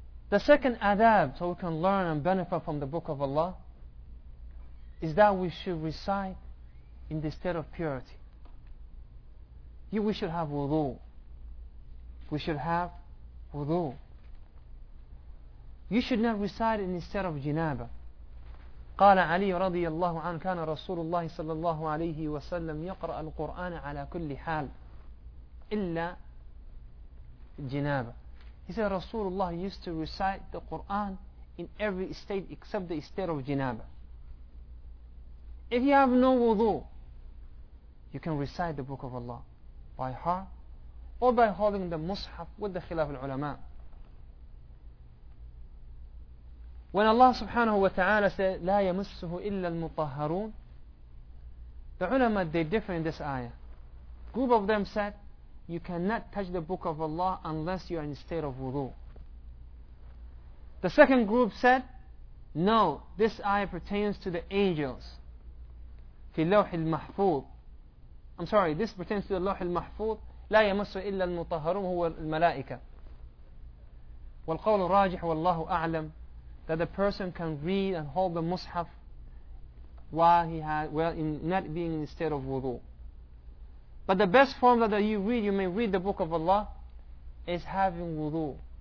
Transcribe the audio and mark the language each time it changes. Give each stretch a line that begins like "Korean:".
English: The second adab, so we can learn and benefit from the Book of Allah, is that we should recite in the state of purity. We should have wudu. We should have wudu. You should not recite in the state of janabah.
Arabic: قال علي رضي الله عنه كان رسول الله صلى الله عليه وسلم يقرأ القرآن على كل حال إلا جنابة.
English: He said Rasulullah used to recite the Quran in every state except the state of janabah. If you have no wudu, you can recite the Book of Allah by heart or by holding the mushaf with the khilaf al-ulama. When Allah subhanahu wa ta'ala said
Arabic: لا يمسه إلا المطهرون,
English: the ulama, they differ in this ayah. Group of them said you cannot touch the Book of Allah unless you are in a state of wudu. The second group said, no, this ayah pertains to the angels.
Arabic: في اللوح المحفوظ.
English: I'm sorry, this pertains to the اللوح المحفوظ.
Arabic: لا يمسه إلا المطهرون, هو الملائكة. والقول الراجح والله أعلم,
English: that the person can read and hold the mushaf while he had, well, in not being in the state of wudu. But the best form that you read, you may read the book of Allah, is having wudu.